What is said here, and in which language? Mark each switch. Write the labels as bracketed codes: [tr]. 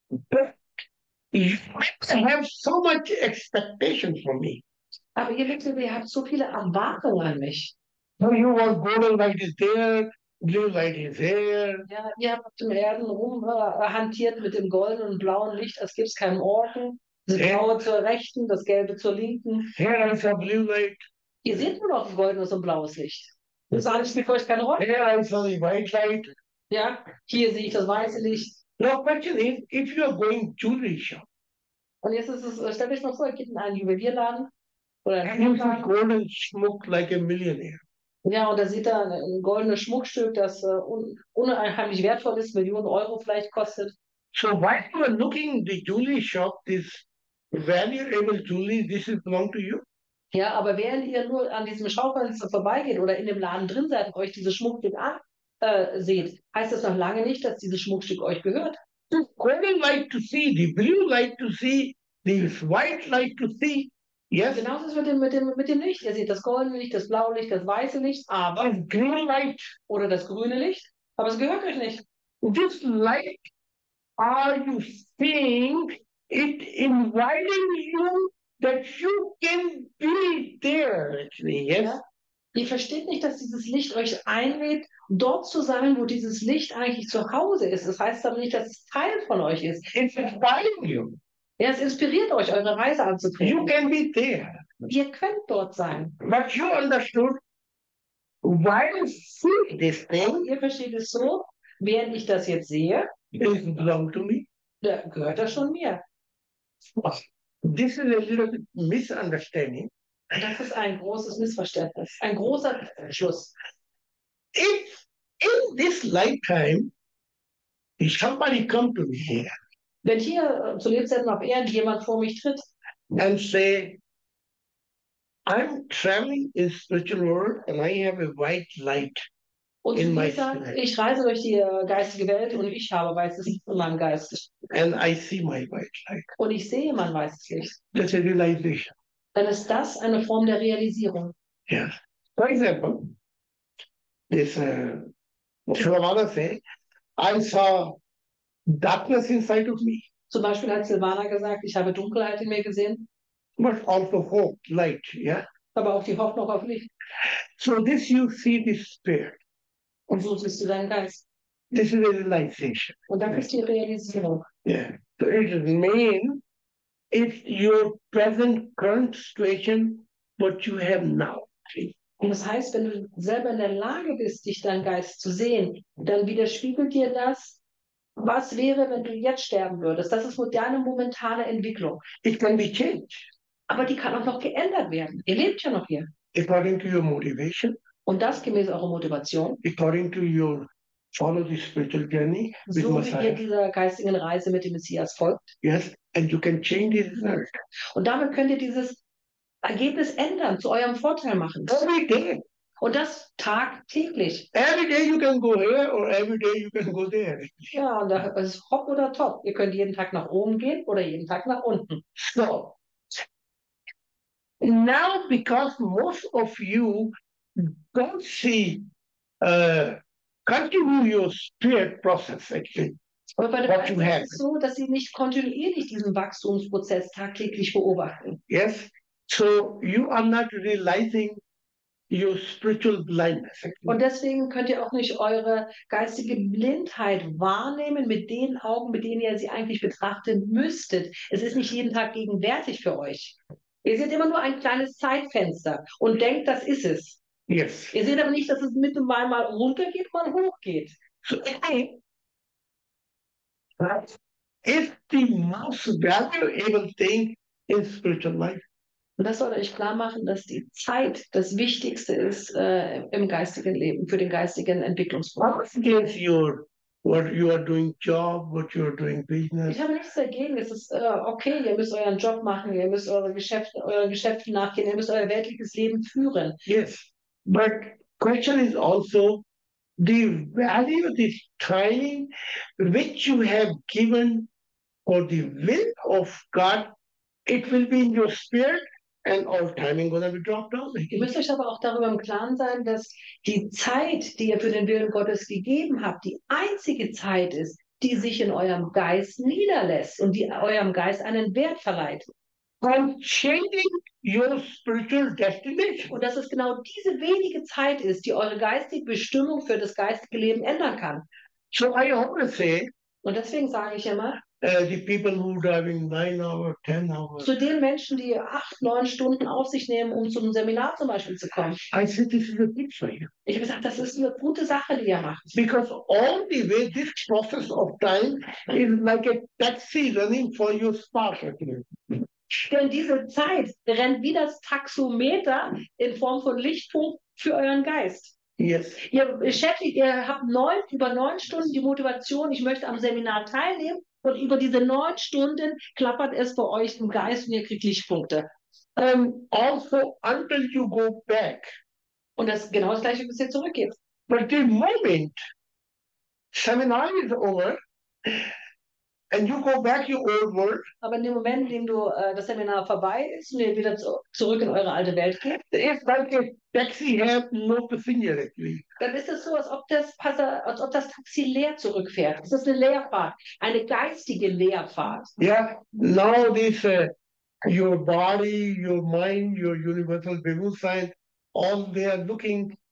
[en] But you have so much expectation for me. [de] Aber ihr wisst, ihr habt so viele Erwartungen an mich. [en] So you were going like this there, blue light is there. [de] Ja, ihr habt auf dem Erden rumhantiert mit dem goldenen und blauen Licht, als gibt es keinen Orden. Das blaue zur rechten, das gelbe zur linken. [en] Here is a blue light. [de] Ihr seht nur noch goldenes und blaues Licht. Das alles spielt für euch keine Rolle. [en] Here I saw the white light. [de] Ja, hier sehe ich das weiße Licht. [en] No question is, if you are going to the shop. [de] Und jetzt ist es, stell dich mal vor, ihr geht in einen Juwelierladen. Oder [en] and you see golden schmuck like a millionaire. [de] Ja, und da sieht er ein goldenes Schmuckstück, das unheimlich wertvoll ist, Millionen Euro vielleicht kostet. [en] So while you are looking at the jewelry shop, this valuable jewelry, this is belong to you? [de] Ja, aber während ihr nur an diesem Schaufenster vorbeigeht oder in dem Laden drin seid und euch dieses Schmuckstück anseht, heißt das noch lange nicht, dass dieses Schmuckstück euch gehört. [en] The golden light to see, the blue light to see, the white light to see. Yes. [de] Genau das ist mit dem Licht. Ihr seht das goldene Licht, das blaue Licht, das weiße Licht, aber [en] the green light. [de] Oder das grüne Licht, aber es gehört euch nicht. [en] This light, are you seeing it inviting you? That you can be there, actually, yes? [de] Ja. Ihr versteht nicht, dass dieses Licht euch einlädt, dort zu sein, wo dieses Licht eigentlich zu Hause ist. Das heißt aber nicht, dass es Teil von euch ist. [en] It's inspiring you. [de] Ja, es inspiriert euch, eure Reise anzutreten. [en] You can be there. [de] Ihr könnt dort sein. [en] But you understood, while seeing this thing, [de] ihr versteht es so, während ich das jetzt sehe, [en] it belongs to me. [de] Da gehört das schon mir. Was? [en] This is a little misunderstanding. [de] Das ist ein großes Missverständnis, ein großer Schluss. [en] If in this lifetime somebody come to me here, [de] wenn hier zu Lebzeiten auf Erden jemand vor mich tritt, [en] and say, I'm traveling in spiritual world and I have a white light [de] und in my sagen, ich reise durch die geistige Welt und ich habe weißes Licht in meinem Geist. [en] And I see my white light. [de] Und ich sehe mein weißes Licht. [en] That's a realization. [de] Dann ist das eine Form der Realisierung. Ja. [en] Yes. For example, this Silvana said, I saw darkness inside of me. [de] Zum Beispiel hat Silvana gesagt, ich habe Dunkelheit in mir gesehen. [en] But also hope, light, yeah? [de] Aber auch die Hoffnung auf Licht. [en] So this you see this spirit. [de] Und so siehst du deinen Geist. [en] This is a realization. [de] Und dann ist die Realisierung. [en] Yeah. So it is main. It's your present current situation, what you have now. [de] Und das heißt, wenn du selber in der Lage bist, dich deinen Geist zu sehen, dann widerspiegelt dir das, was wäre, wenn du jetzt sterben würdest. Das ist moderne, momentane Entwicklung. [en] It can be changed. [de] Aber die kann auch noch geändert werden. Ihr lebt ja noch hier. [en] According to your motivation. [de] Und das gemäß eurer Motivation. [en] According to your follow the spiritual journey. [de] So wie Messiah. Ihr dieser geistigen Reise mit dem Messias folgt. [en] Yes, and you can change the result. [de] Und damit könnt ihr dieses Ergebnis ändern, zu eurem Vorteil machen. [en] Every day. [de] Und das tagtäglich. [en] Every day you can go here or every day you can go there. [de] Ja, und das ist hopp oder top. Ihr könnt jeden Tag nach oben gehen oder jeden Tag nach unten. [en] So. Now, because most of you don't see, continue your spirit process, actually. [de] Aber bei der Weise ist es so, dass sie nicht kontinuierlich diesen Wachstumsprozess tagtäglich beobachten. [en] Yes. So you are not realizing your spiritual blindness. Actually. [de] Und deswegen könnt ihr auch nicht eure geistige Blindheit wahrnehmen mit den Augen, mit denen ihr sie eigentlich betrachten müsstet. Es ist nicht jeden Tag gegenwärtig für euch. Ihr seht immer nur ein kleines Zeitfenster und denkt, das ist es. [en] Yes. [de] Ihr seht aber nicht, dass es mitten mal runtergeht, mal hochgeht. [en] So, okay. But if the most valuable thing is spiritual life. [de] Und das soll euch klar machen, dass die Zeit das Wichtigste ist im geistigen Leben, für den geistigen Entwicklungsprozess. [en] What is your, what you are doing job, what you are doing business? [de] Ich habe nichts dagegen. Es ist okay, ihr müsst euren Job machen, ihr müsst euren Geschäften nachgehen, ihr müsst euer weltliches Leben führen. [en] Yes. But question is also the value of this training which you have given for the will of God, it will be in your spirit and all timing gonna be dropped out. [de] Ihr müsst euch aber auch darüber im Klaren sein, dass die Zeit, die ihr für den Willen Gottes gegeben habt, die einzige Zeit ist, die sich in eurem Geist niederlässt und die eurem Geist einen Wert verleiht. [en] I'm changing your spiritual destination. [de] Und dass es genau diese wenige Zeit ist, die eure geistige Bestimmung für das geistige Leben ändern kann. [en] So I always say, [de] und deswegen sage ich immer, [en] the people who driving 9 hours, 10 hours, [de] zu den Menschen, die 8, 9 Stunden auf sich nehmen, um zum Seminar zum Beispiel zu kommen. [en] I said, this is a good for you. [de] Ich habe gesagt, das ist eine gute Sache, die ihr macht. [en] Because all the way this process of time is like a taxi running for your spark. [de] Denn diese Zeit rennt wie das Taxometer in Form von Lichtpunkt für euren Geist. [en] Yes. [de] Ihr beschäftigt, ihr habt 9, über 9 Stunden die Motivation, ich möchte am Seminar teilnehmen, und über diese 9 Stunden klappert es bei euch im Geist und ihr kriegt Lichtpunkte. [en] Also until you go back. [de] Und das ist genau das gleiche, bis ihr zurückgeht. [en] But the moment Seminar is over. And you go back your old world. [de] Aber in dem Moment, in dem du das Seminar vorbei ist und ihr wieder zurück in eure alte Welt geht, dann ist es so, als ob das Taxi leer zurückfährt. Es ist eine Leerfahrt, eine geistige Leerfahrt. [en] Yeah, now this your body, your mind, your universal Bewusstsein, all they are looking.